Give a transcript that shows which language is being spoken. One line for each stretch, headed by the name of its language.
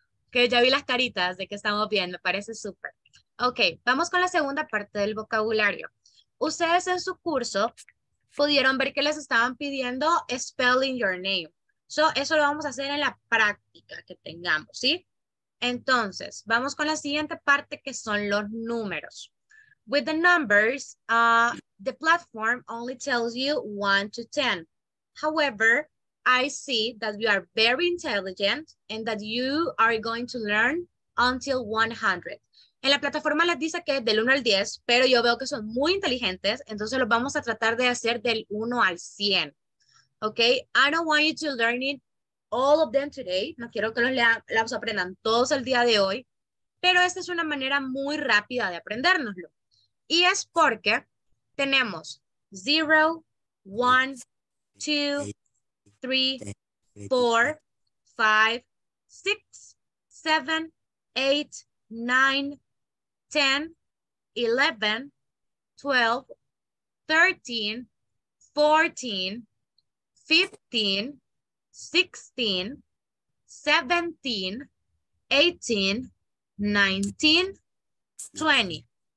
Spanish: Que ya vi las caritas de que estamos bien, me parece súper. Ok, vamos con la segunda parte del vocabulario. Ustedes en su curso pudieron ver que les estaban pidiendo
English: spelling your name.
Spanish: So, eso lo vamos a hacer en la práctica que tengamos, ¿sí? Entonces, vamos con la siguiente parte que son los números.
English: With the numbers, the platform only tells you 1 to 10. However, I see that you are very intelligent and that you are going to learn until 100.
Spanish: En la plataforma les dice que es del 1 al 10, pero yo veo que son muy inteligentes, entonces los vamos a tratar de hacer del 1 al 100.
English: Okay, I don't want you to learn it all of them today.
Spanish: No quiero que los los aprendan todos el día de hoy, pero esta es una manera muy rápida de aprendérnoslo. Y es porque tenemos 0, 1, 2, 3, 4, 5, 6, 7, 8, 9, 10, 11, 12, 13, 14, 15, 16, 17, 18, 19, 20.